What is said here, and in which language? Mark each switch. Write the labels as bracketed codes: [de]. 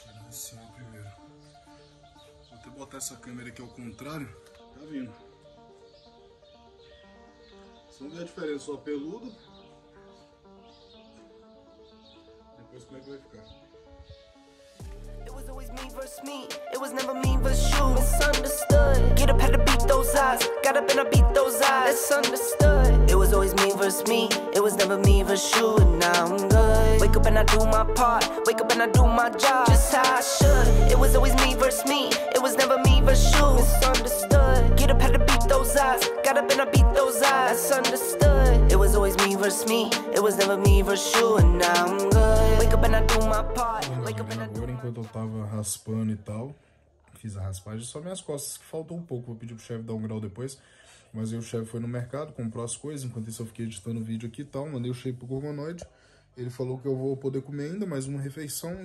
[pt] Sim, primeiro. Vou até botar essa câmera aqui ao contrário. Tá vindo. Só ver a diferença, só peludo. Depois como é que vai ficar? [en] It was always me versus me. It was never me versus you. Misunderstood. Get up, had to beat those eyes. Got up and I beat those eyes. Misunderstood. It was always me versus me. It was never me versus you. And now I'm good. Wake up and I do my part. Wake up and I do my job. Just how I should. It was always me versus me. It was never me versus you. Misunderstood. Get up, had to beat those eyes. Got up and I beat those eyes. Misunderstood. It was always me versus me. It was never me versus you. And now I'm good. Wake up and I do my part. Wake up and I do my job. [pt] Enquanto eu tava raspando e tal, fiz a raspagem, só minhas costas que faltou um pouco, vou pedir pro chefe dar um grau depois. Mas aí o chefe foi no mercado, comprou as coisas, enquanto isso eu fiquei editando o vídeo aqui e tal. Mandei o shape pro Gorgonoide, ele falou que eu vou poder comer ainda mais uma refeição.